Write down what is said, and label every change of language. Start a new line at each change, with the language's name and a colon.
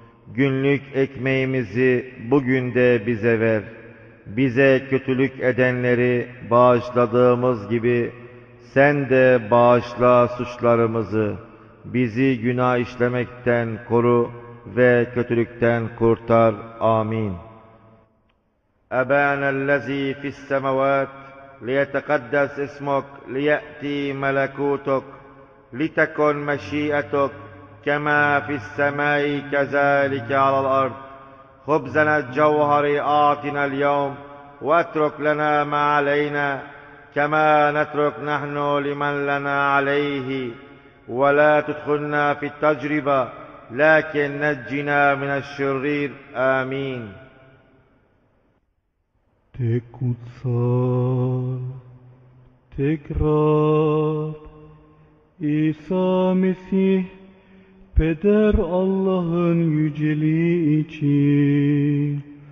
Turkish: Günlük ekmeğimizi bugün de bize ver. Bize kötülük edenleri bağışladığımız gibi sen de bağışla suçlarımızı. Bizi günah işlemekten koru ve kötülükten kurtar. Amin.
Arabic: أبانا الذي في السماوات ليتقدس اسمك ليأتي ملكوتك لتكن مشيئتك كما في السماء كذلك على الأرض خبزنا الجوهري أعطنا اليوم واترك لنا ما علينا كما نترك نحن لمن لنا عليه ولا تدخلنا في التجربة لكن نجنا من الشرير آمين.
Turkish: Te kutsal, tekrar İsa Mesih, Peder Allah'ın yüceliği için.